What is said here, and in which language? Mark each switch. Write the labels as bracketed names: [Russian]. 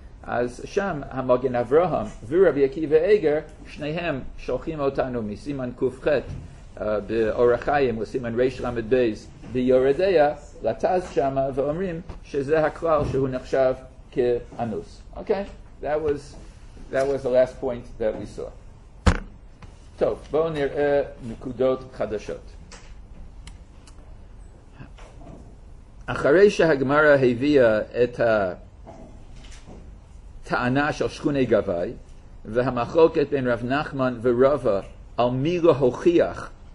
[Hebrew] אז שם המגן אברהם ורבי עקיבא איגר, שניהם שולחים אותנו מסימן קופחת באור החיים לסימן ריש למד בייז ביורדיה לטז שם, ואומרים שזה הכלל שהוא נחשב כאנוס. [English] Okay, that was the last point that we saw. [Hebrew] טוב, בואו נראה נקודות חדשות. אחרי שהגמרא הביאה את הטענה של שכוני גבי והמחלוקת בין רב נחמן ורבה על מי להוכיח